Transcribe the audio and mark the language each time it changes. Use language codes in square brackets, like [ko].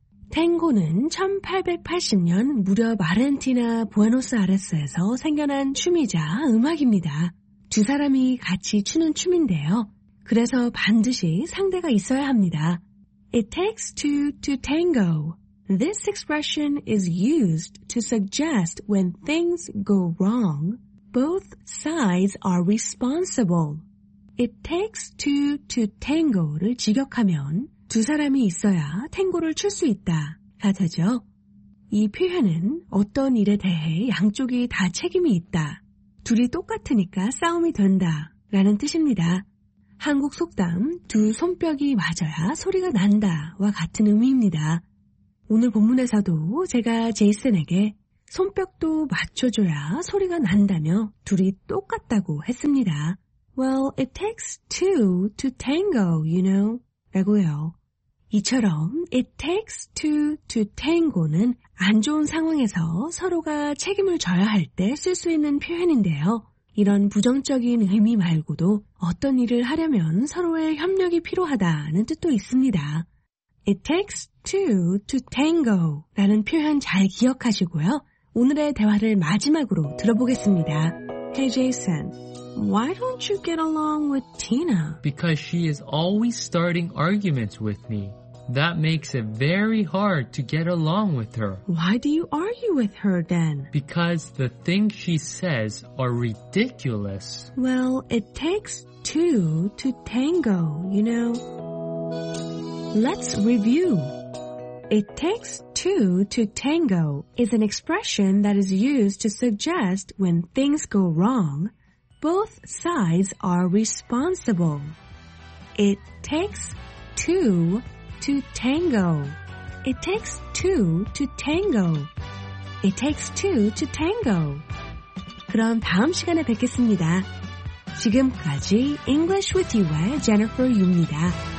[ko] 탱고는 1880년 무렵 아르헨티나 부에노스아이레스에서 생겨난 춤이자 음악입니다. 두 사람이 같이 추는 춤인데요. 그래서 반드시 상대가 있어야 합니다. [en] It takes two to tango. This expression is used to suggest when things go wrong, both sides are responsible. It takes two to tango [ko] 를 직역하면 두 사람이 있어야 탱고를 출 수 있다. 같아죠? 이 표현은 어떤 일에 대해 양쪽이 다 책임이 있다. 둘이 똑같으니까 싸움이 된다. 라는 뜻입니다. 한국 속담 두 손뼉이 맞아야 소리가 난다. 와 같은 의미입니다. 오늘 본문에서도 제가 제이슨에게 손뼉도 맞춰줘야 소리가 난다며 둘이 똑같다고 했습니다. [en] Well, it takes two to tango, you know. [ko] 라고요. 이처럼 [en] it takes two to tango [ko] 는 안 좋은 상황에서 서로가 책임을 져야 할 때 쓸 수 있는 표현인데요. 이런 부정적인 의미 말고도 어떤 일을 하려면 서로의 협력이 필요하다는 뜻도 있습니다. [en] It takes two to tango [ko] 라는 표현 잘 기억하시고요. 오늘의 대화를 마지막으로 들어보겠습니다. [en] Hey Jason, why don't you get along with Tina? Because she is always starting arguments with me. That makes it very hard to get along with her. Why do you argue with her then? Because the things she says are ridiculous. Well, it takes two to tango, you know. Let's review. It takes two to tango is an expression that is used to suggest when things go wrong, both sides are responsible. It takes two to tango. It takes two to tango. It takes two to tango. [ko] 그럼 다음 시간에 뵙겠습니다. 지금까지 English with You의 Jennifer Yu입니다.